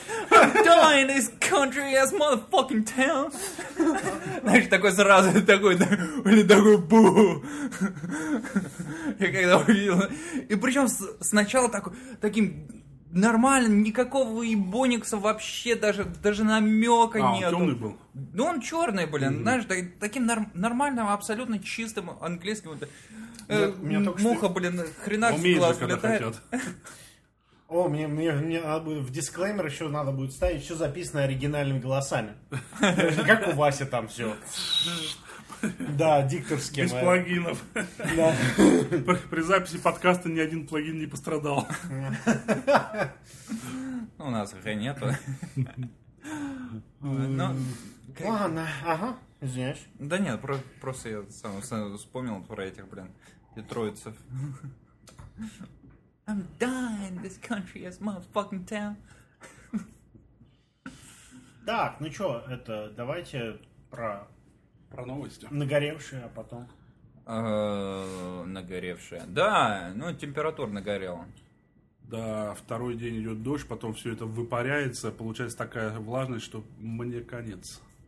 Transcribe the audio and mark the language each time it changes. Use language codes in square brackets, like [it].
[en] I'm dying this country as motherfucking town. [ru] Знаешь, такой сразу, такой бу. Я когда увидел. И причем сначала таким... нормально, никакого ибоникса вообще, даже намека нету. А, он темный был? Ну, он черный, блин, mm-hmm. Знаешь, таким нормальным, абсолютно чистым английским. Муха, блин, хренак с глаз влетает. О, мне надо будет в дисклеймер еще надо будет ставить, все записано оригинальными голосами. Как у Васи там все. Да, дикторские. Без плагинов. При записи подкаста ни один плагин не пострадал. У нас их и нету. Ладно, ага, знаешь. Да нет, просто я сам вспомнил про этих, блин, детройтцев. [en] I'm dying, this country is motherfucking town. [ru] Так, ну чё, это, давайте про новости. Нагоревшие, а потом. Нагоревшие. Да, ну температура нагорела. Да, второй день идет дождь, потом все это выпаряется, получается такая влажность, что мне конец.